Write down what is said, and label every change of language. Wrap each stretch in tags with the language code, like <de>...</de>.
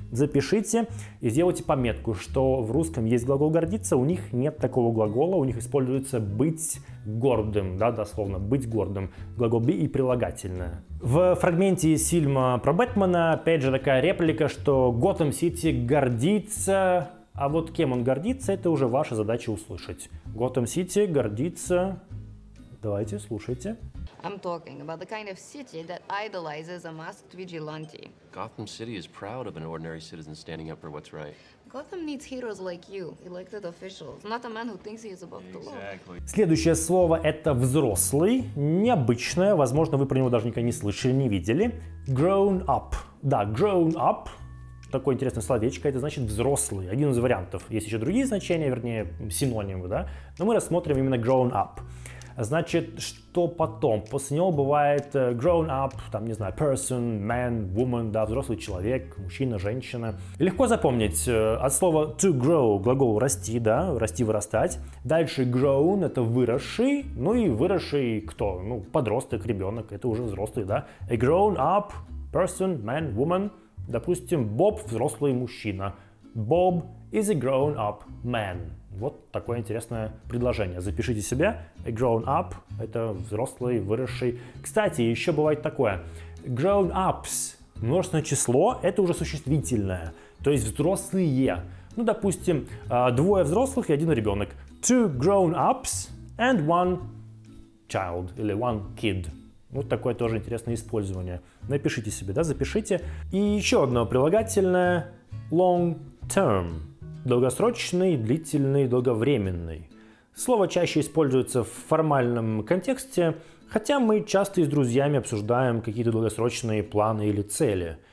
<ru>Запишите и сделайте пометку, что в русском есть глагол гордиться, у них нет такого глагола, у них используется быть гордым, да, дословно, быть гордым. Глагол be и прилагательное. В фрагменте из фильма про Бэтмена, опять же, такая реплика, что Gotham City гордится... А вот кем он гордится, это уже ваша задача услышать. Gotham City гордится... Давайте, слушайте.</ru> <en>I'm talking about the kind of city that idolizes a masked vigilante. Gotham City is proud of an ordinary citizen standing up for what's right. Gotham needs heroes like you, elected officials, not a man who thinks he is above the law.</en> <ru>Следующее слово – это взрослый, необычное. Возможно, вы про него даже никогда не слышали, не видели.</ru> <en>Grown up. Да, grown up.</en> <ru>Такое интересное словечко, это значит взрослый, один из вариантов. Есть еще другие значения, вернее, синонимы, да? Но мы рассмотрим именно grown up. Значит, что потом? После него бывает grown up, там, не знаю, person, man, woman, да, взрослый человек, мужчина, женщина. Легко запомнить от слова to grow, глагол расти, да, расти, вырастать. Дальше grown, это выросший, ну и выросший кто? Ну, подросток, ребенок, это уже взрослый, да?</ru> <en>A grown up, person, man, woman.</en> <ru>Допустим, Боб – взрослый мужчина.</ru> <en>Bob is a grown-up man.</en> <ru>Вот такое интересное предложение. Запишите себе. A grown-up – это взрослый, выросший. Кстати, еще бывает такое. Grown-ups – множественное число – это уже существительное. То есть взрослые. Ну, допустим, двое взрослых и один ребенок.</ru> <en>Two grown-ups and one child или one kid.</en> <ru>Вот такое тоже интересное использование. Напишите себе, да, запишите. И еще одно прилагательное.</ru> <en>Long term.</en> <ru>Долгосрочный, длительный, долговременный. Слово чаще используется в формальном контексте, хотя мы часто и с друзьями обсуждаем какие-то долгосрочные планы или цели.</ru>